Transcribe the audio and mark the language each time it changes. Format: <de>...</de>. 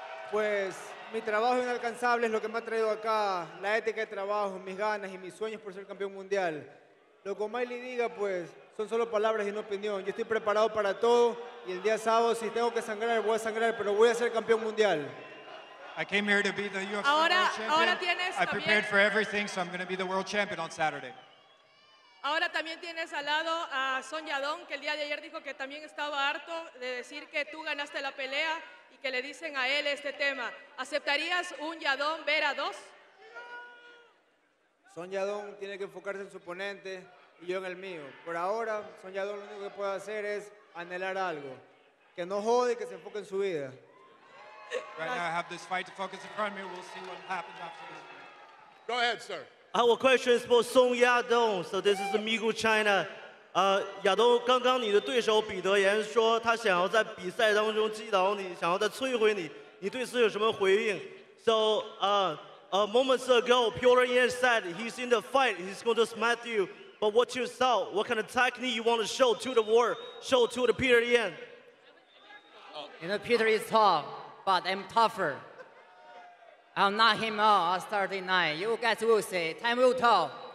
<es>Pues mi trabajo inalcanzable es lo que me ha traído acá, la ética de trabajo, mis ganas y mis sueños por ser campeón mundial. Lo que O'Malley diga, pues, son solo palabras y no opinión. Yo estoy preparado para todo y el día sábado, si tengo que sangrar, voy a sangrar, pero voy a ser campeón mundial.</es> <en>I came here to be the UFC</en> <es>ahora,</es> <en>World Champion.</en> <es>Ahora tienes</es> <en>I prepared for everything, so I'm going to be the World Champion on Saturday.</en> <es>Ahora también tienes al lado a Son Yadón, que el día de ayer dijo que también estaba harto de decir que tú ganaste la pelea y que le dicen a él este tema. ¿Aceptarías un Yadón Vera 2? Son Yadón tiene que enfocarse en su oponente y yo en el mío. Por ahora, Son Yadón lo único que puede hacer es anhelar algo. Que no jode y que se enfoque en su vida.</es> <en>Right now I have this fight to focus in front of me. We'll see what happens after this. Go ahead, sir. Our question is for Song Yadong. So this is Migu China.</en> <zh>Yadong, 刚刚你的对手彼得言说他想要在比赛当中击倒你，想要再摧毁你。你对此有什么回应？</zh> <en>So moments ago, Poirier said he's in the fight. He's going to smite you. But what you saw, what kind of technique you want to show to the world, show to the Poirier? You know, Peter is tough. But I'm tougher. I'll knock him out on Saturday night. You guys will see. Time will tell.</en>